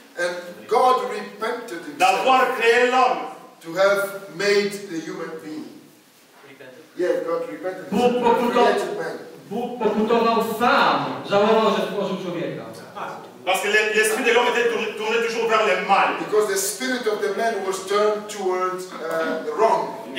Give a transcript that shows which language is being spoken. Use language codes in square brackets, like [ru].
[en] And God repented himself. [fr] D'avoir créé l'homme. [en] To have made the human being. Yeah, God repented himself. [pl] Bóg pokutował sam, żałował, że stworzył człowieka. [fr] Parce que l'esprit de l'homme était tourné toujours vers le mal. [en] Because the spirit of the man was turned towards the wrong.